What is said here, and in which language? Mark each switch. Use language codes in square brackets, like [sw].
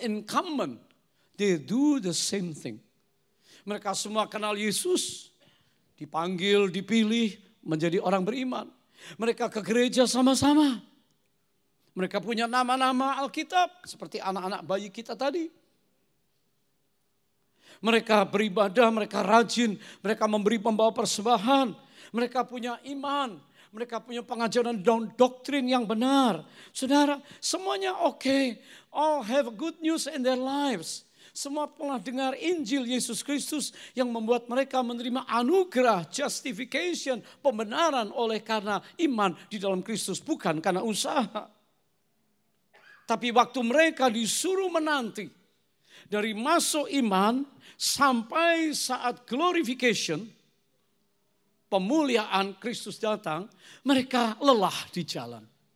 [en] In common, they do the same thing. [id] Mereka semua kenal Yesus, dipanggil, dipilih menjadi orang beriman. Mereka ke gereja sama-sama. Mereka punya nama-nama Alkitab, seperti anak-anak bayi kita tadi. Mereka beribadah, mereka rajin, mereka memberi pembawa persembahan. Mereka punya iman, mereka punya pengajaran dan doktrin yang benar. Saudara, semuanya oke. [en] All have good news in their lives. [id] Semua pernah dengar Injil Yesus Kristus yang membuat mereka menerima anugerah, justification, pembenaran oleh karena iman di dalam Kristus, bukan karena usaha. Tapi waktu mereka disuruh menanti dari masuk iman sampai saat glorification, pemuliaan Kristus datang, mereka lelah di jalan.